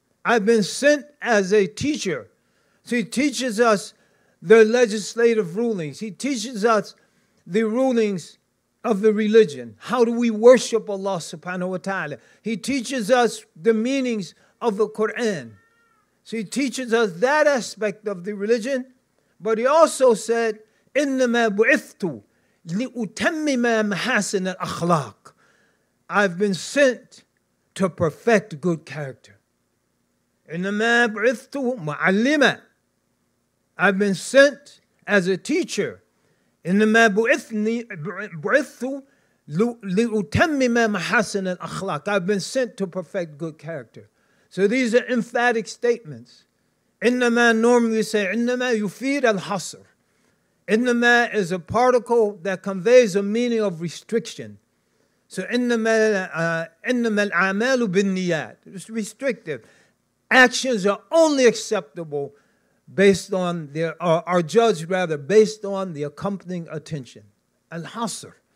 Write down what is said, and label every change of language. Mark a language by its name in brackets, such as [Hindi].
[English] I've been sent as a teacher. So he teaches us the legislative rulings. He teaches us the rulings of the religion. How do we worship Allah subhanahu wa ta'ala? He teaches us the meanings of the Quran. So he teaches us that aspect of the religion. But he also said, [Arabic] إِنَّمَا بُعِثْتُ لِأُتَمِّمَا مَحَاسِنَ الْأَخْلَاقِ. [English] I've been sent to perfect good character. [Arabic] إِنَّمَا بُعِثْتُ مُعَلِّمًا. [English] I've been sent as a teacher. [Arabic] إِنَّمَا بُعِثْتُ لِأُتَمِّمَا مَحَاسِنَ الْأَخْلَاقِ. [English] I've been sent to perfect good character. So these are emphatic statements. [Arabic] إِنَّمَا [English] normally say, [Arabic] إِنَّمَا يُفِيدَ الْحَصْرِ. [English] Innama is a particle that conveys a meaning of restriction. So innama al-amalu bin-niyat. It's restrictive. Actions are only acceptable based on their, are judged rather based on the accompanying attention. Al-hasr.